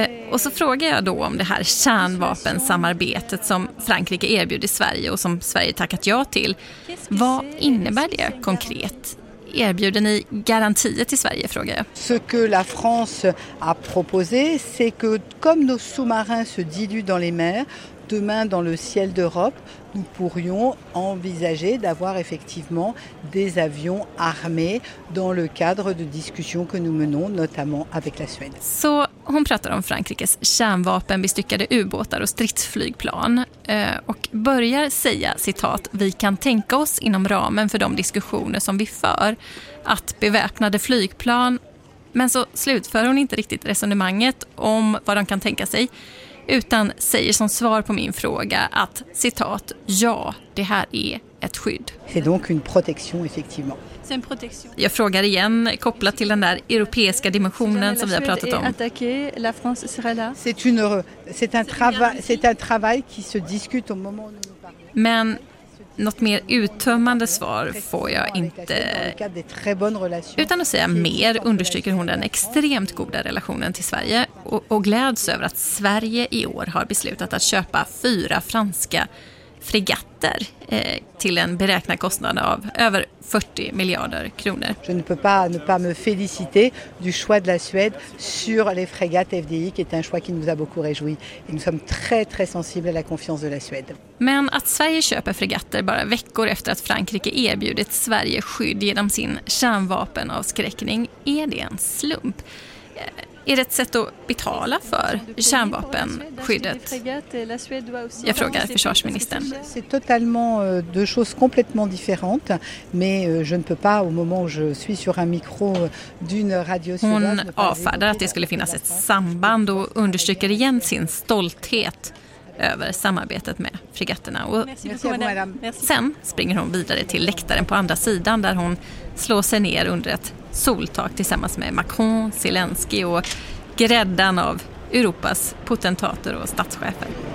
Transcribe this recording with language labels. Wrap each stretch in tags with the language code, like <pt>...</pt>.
<sv>Och så frågar jag då om det här kärnvapensamarbetet som Frankrike erbjuder Sverige och som Sverige tackat ja till. Vad innebär det konkret? Erbjuder ni garantier till Sverige, frågar jag.</sv> <fr>Ce que la France a proposé, c'est que comme nos sous-marins se diluent dans les mers, demain dans le ciel d'Europe, nous pourrions envisager d'avoir effectivement des avions armés dans le cadre de discussions que nous menons notamment avec la Suède.</fr> <sv>Så hon pratar om Frankrikes kärnvapenbestyckade ubåtar och stridsflygplan och börjar säga, citat, vi kan tänka oss inom ramen för de diskussioner som vi för att beväpnade flygplan, men så slutför hon inte riktigt resonemanget om vad de kan tänka sig. Utan säger som svar på min fråga att, citat, ja, det här är ett skydd.</sv> <fr>C'est donc une protection, effectivement. C'est une protection.</fr> <sv>Jag frågar igen, kopplat till den där europeiska dimensionen som vi har pratat om. Men något mer uttömmande svar får jag inte. Utan att säga mer understryker hon den extremt goda relationen till Sverige och gläds över att Sverige i år har beslutat att köpa 4 franska fregatter till en beräknad kostnad av över 40 miljarder kronor.</sv> <fr>Je ne peux pas ne pas me féliciter du choix de la Suède sur les frégates FDI qui est un choix qui nous a beaucoup réjoui et nous sommes très très sensibles à la confiance de la Suède.</fr> <sv>Men att Sverige köper fregatter bara veckor efter att Frankrike erbjudit Sverige skydd genom sin kärnvapenavskräckning, är det en slump? Är det ett sätt att betala för kärnvapenskyddet? Jag frågar försvarsministern.</sv> <fr>C'est totalement deux choses complètement différentes, mais je ne peux pas au moment où je suis sur un micro d'une radio suédoise.</fr> <sv>Hon avfärdar att det skulle finnas ett samband och understryker igen sin stolthet över samarbetet med fregatterna. Och sen springer hon vidare till läktaren på andra sidan där hon slår sig ner under ett soltak tillsammans med Macron, Zelensky och gräddan av Europas potentater och statschefer.</sv>